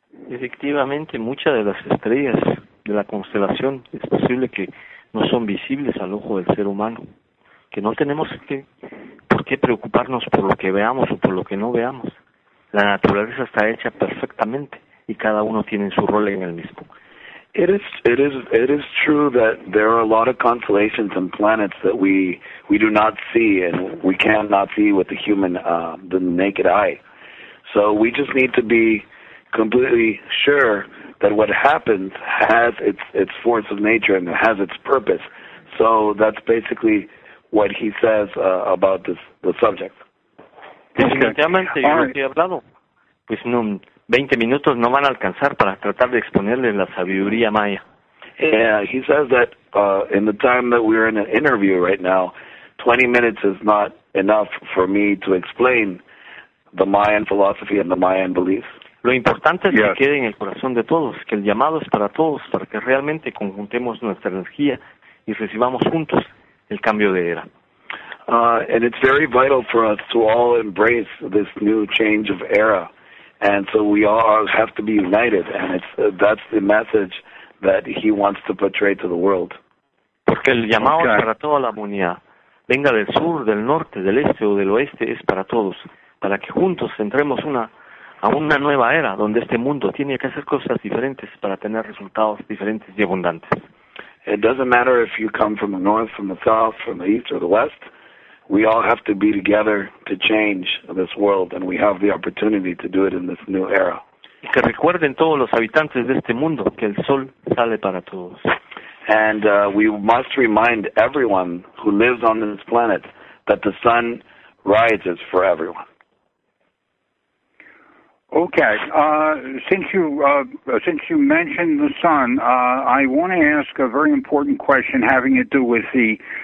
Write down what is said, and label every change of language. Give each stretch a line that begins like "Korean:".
Spanish: Efectivamente, muchas de las estrellas de la constelación es posible que no son visibles al ojo del ser humano, que no tenemos por qué preocuparnos por lo que veamos o por lo que no veamos. La naturaleza está hecha perfectamente y cada uno tiene su rol en el mismo.
English: It is true that there are a lot of constellations and planets that we do not see and we cannot see with the human the naked eye. So we just need to be completely sure that what happens has its force of nature and has its purpose. So that's basically what he says about the subject.
Spanish: Definitivamente, yo he hablado. Pues no. 20 minutos no van a alcanzar para tratar de exponerle la sabiduría maya.
English: Yeah, he says that in the time that we're in an interview right now, 20 minutes is not enough for me to explain the Mayan philosophy and the Mayan beliefs.
Spanish: Lo importante es que quede en el corazón de todos, que el llamado es para todos, para que realmente conjuntemos nuestra energía y recibamos juntos el cambio de era.
English: And it's very vital for us to all embrace this new change of era. And so we all have to be united, and that's the message that he wants to portray to the world.
Spanish: Porque el llamado para toda la humanidad, venga del sur, del norte, del este o del oeste, es para todos, para que juntos entremos a una nueva era donde este mundo tiene que hacer cosas diferentes para tener resultados diferentes y abundantes.
English: It doesn't matter if you come from the north, from the south, from the east or the west. We all have to be together to change this world, and we have the opportunity to do it in this new era.
Spanish: Y que recuerden todos los habitantes de este mundo que el sol sale para todos.
English: And we must remind everyone who lives on this planet that the sun rises for everyone. Okay, since you mentioned the sun, I want to ask a very important question having to do with the...